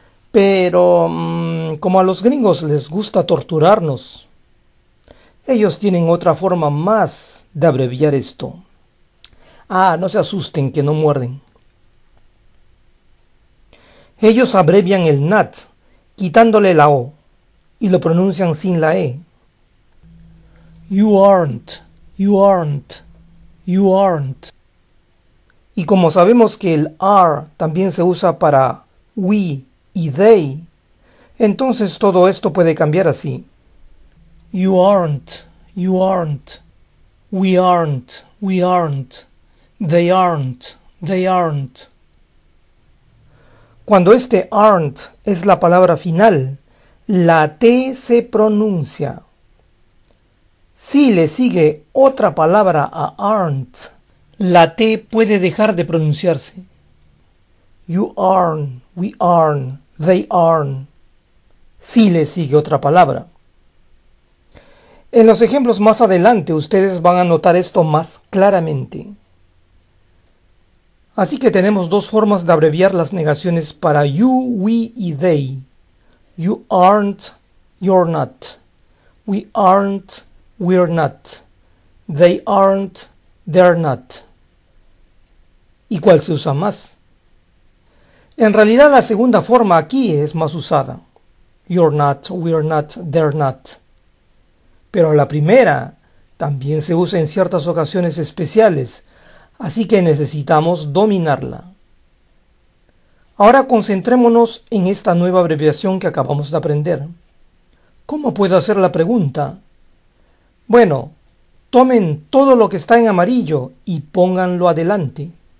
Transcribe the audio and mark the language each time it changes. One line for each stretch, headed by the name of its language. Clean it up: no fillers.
Spanish: Pero, como a los gringos les gusta torturarnos, ellos tienen otra forma más de abreviar esto. Ah, no se asusten que no muerden. Ellos abrevian el not quitándole la O y lo pronuncian sin la E.
English: You aren't, you aren't, you aren't.
Spanish: Y como sabemos que el are también se usa para we y they, entonces todo esto puede cambiar así.
English: You aren't, you aren't, we aren't, we aren't, they aren't, they aren't.
Spanish: Cuando este aren't es la palabra final, la T se pronuncia. Si le sigue otra palabra a aren't, la T puede dejar de pronunciarse.
English: You aren't, we aren't, they aren't.
Spanish: Si le sigue otra palabra. En los ejemplos más adelante, ustedes van a notar esto más claramente. Así que tenemos dos formas de abreviar las negaciones para you, we y they.
English: You aren't, you're not. We aren't, we're not. They aren't, they're not.
Spanish: ¿Y cuál se usa más? En realidad la segunda forma aquí es más usada.
English: You're not, we're not, they're not.
Spanish: Pero la primera también se usa en ciertas ocasiones especiales. Así que necesitamos dominarla. Ahora concentrémonos en esta nueva abreviación que acabamos de aprender. ¿Cómo puedo hacer la pregunta? Bueno, tomen todo lo que está en amarillo y pónganlo adelante.